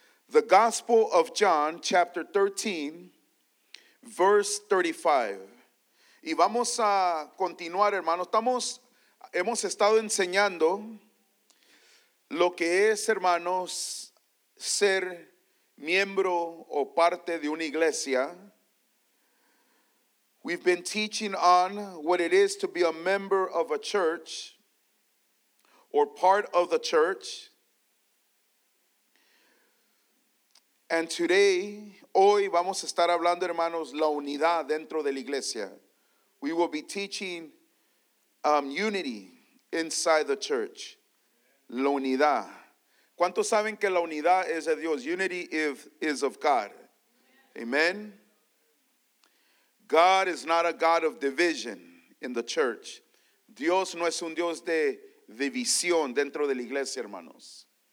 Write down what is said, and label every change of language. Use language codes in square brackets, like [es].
[en] The Gospel of John, chapter 13, verse 35. [es] Y vamos a continuar, hermanos. Hemos estado enseñando lo que es, hermanos, ser miembro o parte de una iglesia. [en] We've been teaching on what it is to be a member of a church or part of the church. And today, [es] hoy vamos a estar hablando, hermanos, la unidad dentro de la iglesia. [en] We will be teaching unity inside the church. [es] La unidad. ¿Cuántos saben que la unidad es de Dios? [en] Unity is of God. Amen. God is not a God of division in the church. [es] Dios no es un Dios de división dentro de la iglesia, hermanos.